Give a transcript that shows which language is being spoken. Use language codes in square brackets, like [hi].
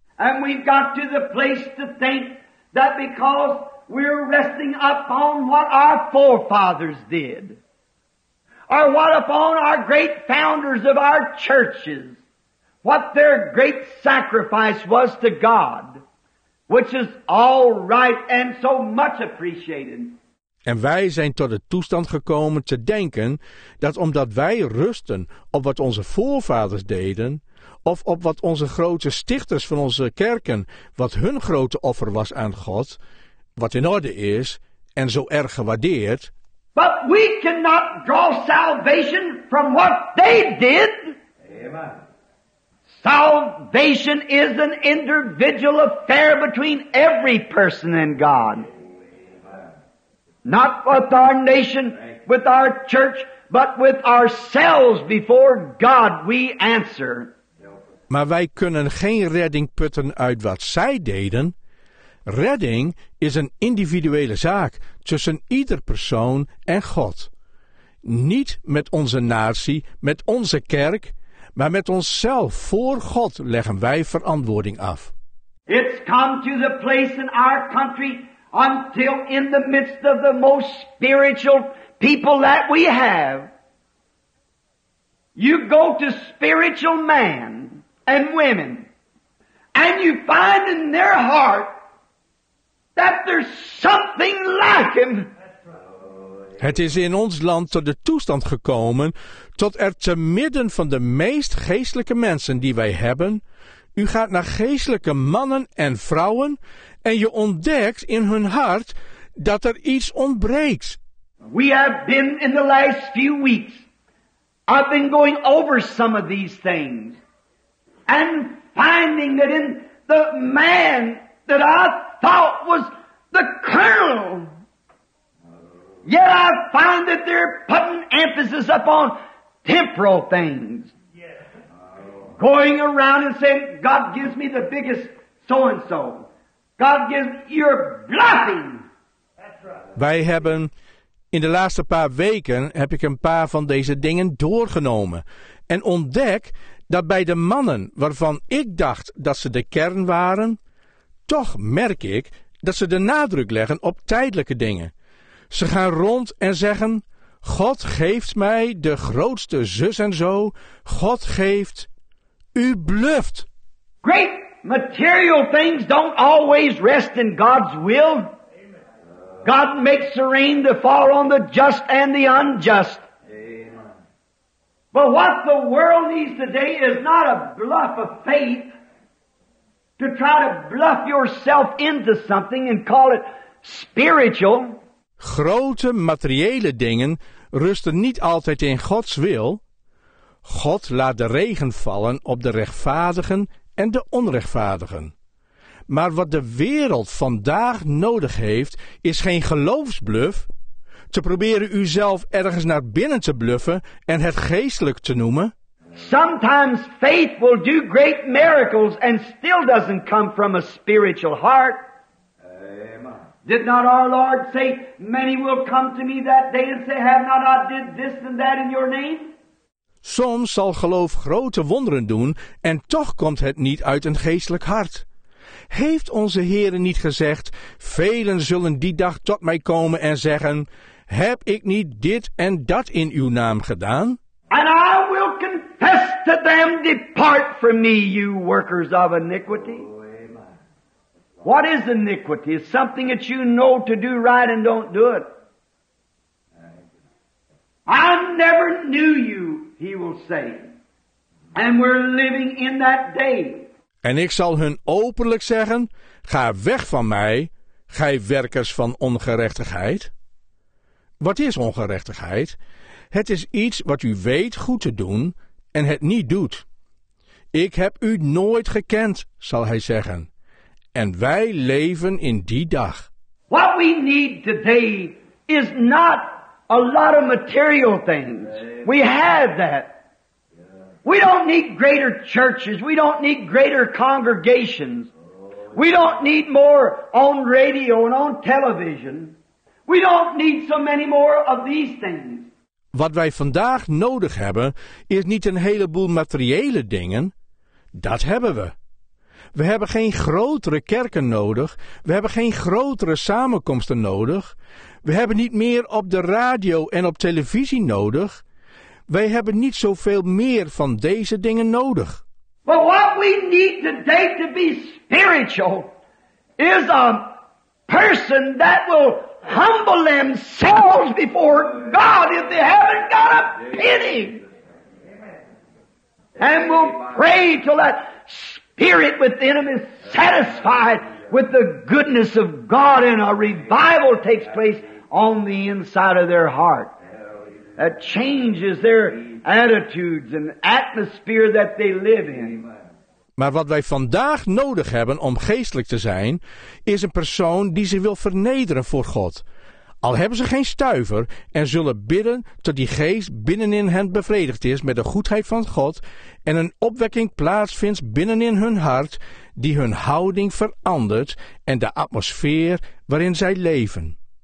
[en] And we've got to the place to think that because we're resting upon what our forefathers did, or what upon our great founders of our churches, what their great sacrifice was to God, which is all right and so much appreciated. [nl] En wij zijn tot het toestand gekomen te denken dat omdat wij rusten op wat onze voorvaders deden, of op wat onze grote stichters van onze kerken, wat hun grote offer was aan God, wat in orde is en zo erg gewaardeerd. [en] But we cannot draw salvation from what they did. Amen. Salvation is an individual affair between every person and God. Not with our nation, with our church, but with ourselves before God we answer. [nl] Maar wij kunnen geen redding putten uit wat zij deden. Redding is een individuele zaak tussen ieder persoon en God. Niet met onze natie, met onze kerk, maar met onszelf voor God leggen wij verantwoording af. [en] It's come to the place in our country until in the midst of the most spiritual people that we have. You go to spiritual man and women and you find in their heart that there's something lacking. [nl] Het is in ons land tot de toestand gekomen tot er te midden van de meest geestelijke mensen die wij hebben, u gaat naar geestelijke mannen en vrouwen en je ontdekt in hun hart dat er iets ontbreekt. [en] We have been in the last few weeks, I've been going over some of these things and finding that in the man that I thought was the colonel, yet I find that they're putting emphasis upon temporal things. Yes. Going around and saying, God gives me the biggest so-and-so. God gives, you're bluffing. That's right. [nl] Wij hebben, in de laatste paar weken heb ik een paar van deze dingen doorgenomen. En ontdek dat bij de mannen waarvan ik dacht dat ze de kern waren, toch merk ik dat ze de nadruk leggen op tijdelijke dingen. Ze gaan rond en zeggen, God geeft mij de grootste zus en zo. God geeft, u bluft. [en] Great material things don't always rest in God's will. God makes the rain to fall on the just and the unjust. But what the world needs today is not a bluff of faith to try to bluff yourself into something and call it spiritual. [nl] Grote materiële dingen rusten niet altijd in Gods wil. God laat de regen vallen op de rechtvaardigen en de onrechtvaardigen. Maar wat de wereld vandaag nodig heeft, is geen geloofsbluf. Te proberen uzelf ergens naar binnen te bluffen en het geestelijk te noemen. [en] Sometimes faith will do great miracles and still doesn't come from a spiritual heart. Amen. Did not our Lord say, many will come to me that day and say, have not I did this and that in your name? [nl] Soms zal geloof grote wonderen doen en toch komt het niet uit een geestelijk hart. Heeft onze Heere niet gezegd, velen zullen die dag tot mij komen en zeggen, heb ik niet dit en dat in uw naam gedaan? [en] And I will confess to them, depart from me, you workers of iniquity. What is iniquity? It's something that you know to do right and don't do it. I never knew you, he will say. And we're living in that day. [nl] En ik zal hun openlijk zeggen, ga weg van mij, gij werkers van ongerechtigheid. Wat is ongerechtigheid? Het is iets wat u weet goed te doen en het niet doet. Ik heb u nooit gekend, zal hij zeggen. En wij leven in die dag. [en] What we need today is not a lot of material things. We have that. We don't need greater churches. We don't need greater congregations. We don't need more on radio and on television. We don't need so many more of these things. [nl] Wat wij vandaag nodig hebben, is niet een heleboel materiële dingen. Dat hebben we. We hebben geen grotere kerken nodig. We hebben geen grotere samenkomsten nodig. We hebben niet meer op de radio en op televisie nodig. Wij hebben niet zoveel meer van deze dingen nodig. [en] But what we need today to be spiritual is a person that will humble themselves before God if they haven't got a penny. And will pray till that spirit within them is satisfied with the goodness of God and a revival takes place on the inside of their heart. That changes their attitudes and atmosphere that they live in. [nl] Maar wat wij vandaag nodig hebben om geestelijk te zijn, is een persoon die zich wil vernederen voor God. Al hebben ze geen stuiver en zullen bidden tot die geest binnenin hen bevredigd is met de goedheid van God en een opwekking plaatsvindt binnenin hun hart die hun houding verandert en de atmosfeer waarin zij leven.